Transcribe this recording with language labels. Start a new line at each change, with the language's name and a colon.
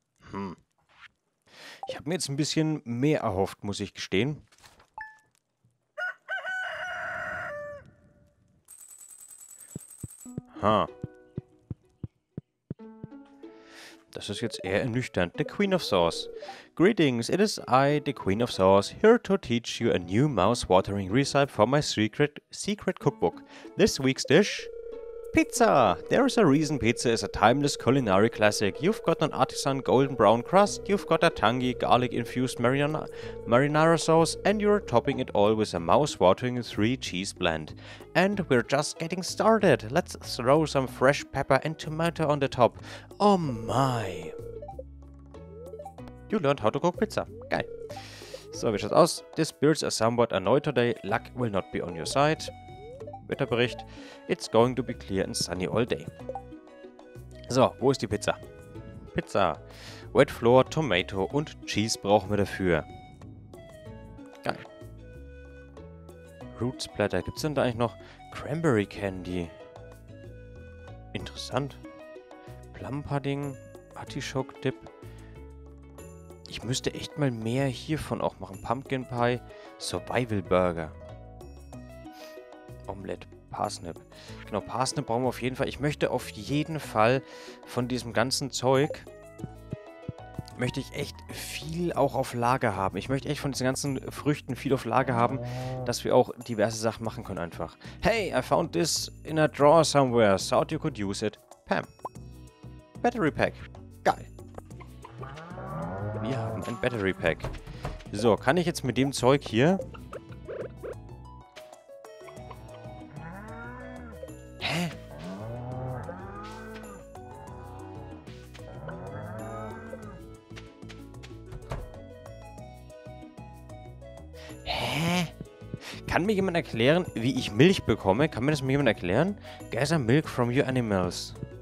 German: Hm. Ich habe mir jetzt ein bisschen mehr erhofft, muss ich gestehen. Ha. Das ist jetzt eher ernüchternd.
English: The Queen of Sauce. Greetings, it is I, the Queen of Sauce, here to teach you a new mouse-watering recipe for my secret cookbook. This week's dish? Pizza! There is a reason pizza is a timeless culinary classic. You've got an artisan golden brown crust, you've got a tangy garlic-infused marinara sauce, and you're topping it all with a mouse-watering three cheese blend. And we're just getting started. Let's throw some fresh pepper and tomato on the top. Oh my! You learned how to cook pizza.
German: Geil. So, wie schaut's aus?
English: The spirits are somewhat annoyed today. Luck will not be on your side. Wetterbericht. It's going to be clear and sunny all day.
German: So, wo ist die Pizza? Pizza. Wet floor, tomato und cheese brauchen wir dafür. Geil. Root Splatter. Gibt's denn da eigentlich noch Cranberry Candy? Interessant. Plum Pudding. Artichoke Dip. Ich müsste echt mal mehr hiervon auch machen. Pumpkin Pie, Survival Burger, Omelette, Parsnip. Genau, Parsnip brauchen wir auf jeden Fall. Ich möchte auf jeden Fall von diesem ganzen Zeug möchte ich echt viel auch auf Lager haben. Ich möchte echt von diesen ganzen Früchten viel auf Lager haben, dass wir auch diverse Sachen machen können einfach.
English: Hey, I found this in a drawer somewhere. Thought you could use it.
German: Pam. Battery Pack. Geil. Wir haben ein Battery Pack. So, kann ich jetzt mit dem Zeug hier... Kann mir jemand erklären, wie ich Milch bekomme? Kann mir das mal jemand erklären?
English: Gather milk from your animals.